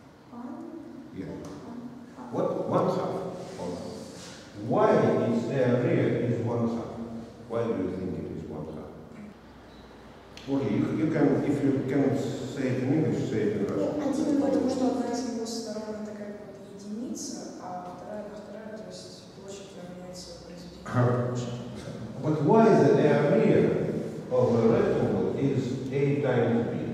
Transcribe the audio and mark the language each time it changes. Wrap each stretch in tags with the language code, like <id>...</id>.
<en>One? Yeah. What? One half. Why is the area is one half? Why do you think it is one half? Okay, you can, if you can say it in English, say it in Russian.</en> <ru>Один, потому что одна из его сторон такая единица, а вторая, то есть площадь меняется произведение.</ru> <en>But why the area of a rectangle is a times b?</en>